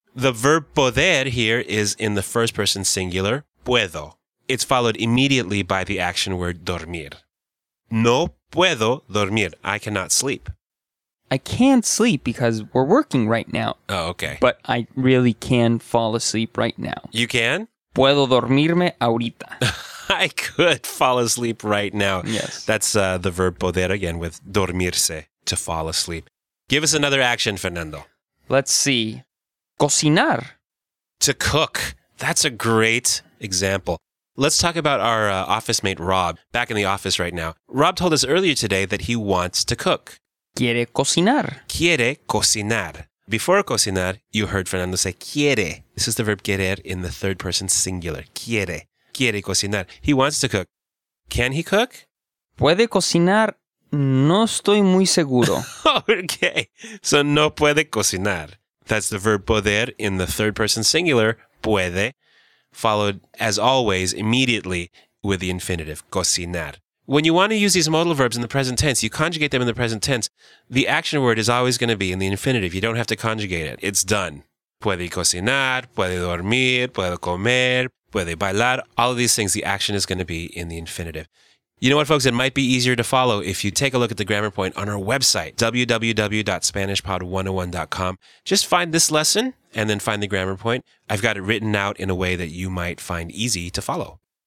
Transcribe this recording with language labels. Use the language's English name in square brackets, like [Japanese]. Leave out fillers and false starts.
[English] The verb poder here is in the first person singular, puedo. It's followed immediately by the action word dormir. [Spanish] No puedo dormir. I cannot sleep. [English] I can't sleep because we're working right now. Oh, okay. But I really can fall asleep right now. You can? [Spanish] Puedo dormirme ahorita. [English] I could fall asleep right now. Yes. That's the verb poder again with dormirse. To fall asleep. Give us another action, Fernando. Let's see. Cocinar. To cook. That's a great example. Let's talk about our office mate, Rob, back in the office right now. Rob told us earlier today that he wants to cook. [Spanish] Quiere cocinar. [English] Quiere cocinar. Before cocinar, you heard Fernando say quiere. This is the verb querer in the third person singular. Quiere. Quiere cocinar. He wants to cook. Can he cook? [Spanish] Puede cocinar. No estoy muy seguro. [English] Okay. So no puede cocinar. That's the verb poder in the third person singular, puede, followed, as always, immediately with the infinitive, cocinar. When you want to use these modal verbs in the present tense, you conjugate them in the present tense. The action word is always going to be in the infinitive. You don't have to conjugate it. It's done. [Spanish] Puede cocinar, puede dormir, puede comer, puede bailar. [English] All of these things, the action is going to be in the infinitive. You know what, folks? It might be easier to follow if you take a look at the Grammar Point on our website, www.SpanishPod101.com. Just find this lesson and then find the Grammar Point. I've got it written out in a way that you might find easy to follow.